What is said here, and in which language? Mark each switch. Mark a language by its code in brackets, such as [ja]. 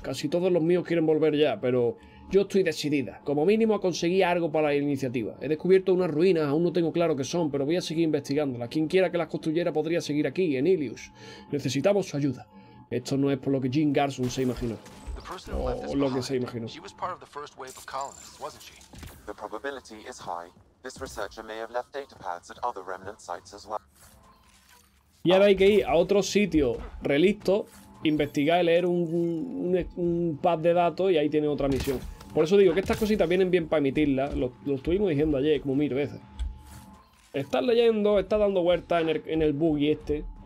[es] Casi todos los míos quieren volver ya, pero yo estoy decidida. Como mínimo a conseguir algo para la iniciativa. He descubierto unas ruinas, aún no tengo claro qué son, pero voy a seguir investigándolas. Quien quiera que las construyera podría seguir aquí, en Ilius. Necesitamos su ayuda. Esto no es por lo que Jean Garson se imaginó. O lo que se imaginó. [en] She was part of the first wave of colonists, wasn't she? The probability is high. This researcher may have left data pads at other remnant sites as well. [es] Y ahora hay que ir a otro sitio relicto, investigar y leer un pad de datos y ahí tiene otra misión. Por eso digo que estas cositas vienen bien para emitirlas. Lo estuvimos diciendo ayer como mil veces. Estás leyendo, estás dando vueltas en el buggy este.